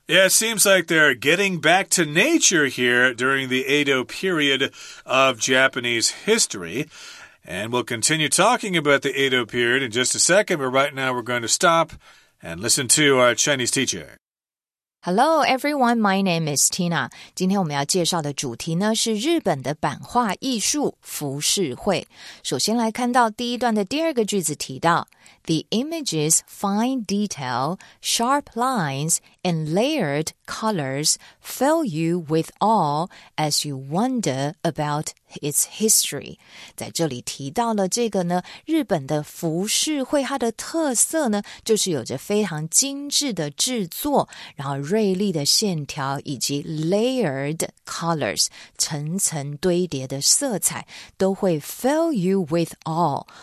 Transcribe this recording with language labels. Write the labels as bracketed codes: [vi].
[en] Yeah, it seems like they're getting back to nature here during the Edo period of Japanese history. And we'll continue talking about the Edo period in just a second, but right now we're going to stop and listen to our Chinese teacher. Hello, everyone. My name is Tina. [zh] 今天我们要介绍的主题呢是日本的版画艺术浮世绘。首先来看到第一段的第二个句子提到 [en] The images, fine detail, sharp lines, and layered colors fill you with awe as you wonder about its history. [zh] 在这里提到了这个呢日本的浮世绘它的特色呢就是有着非常精致的制作然后锐利的线条以及 layered colors 层层堆叠的色彩都会 [en] fill you with awe